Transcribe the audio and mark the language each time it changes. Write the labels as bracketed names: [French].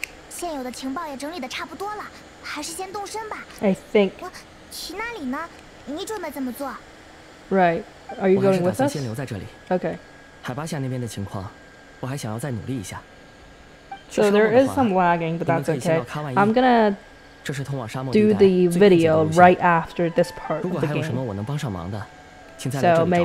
[Chinese] 现有的情报也整理的差不多了，还是先动身吧。 [English] I think. [Chinese] 去那里呢？你准备怎么做？ [English] Right. Are you going with us? [Chinese] 先留在这里。 [English] Okay. [Chinese] 海巴夏那边的情况， 我还想要再努力一下。 [English] So there is some lagging, but that's okay. I'm gonna [Chinese] 这是通往沙漠地带， [English] do the video right after this part of the game. [Chinese] 如果还有什么我能帮上忙的， 请再来这里找我。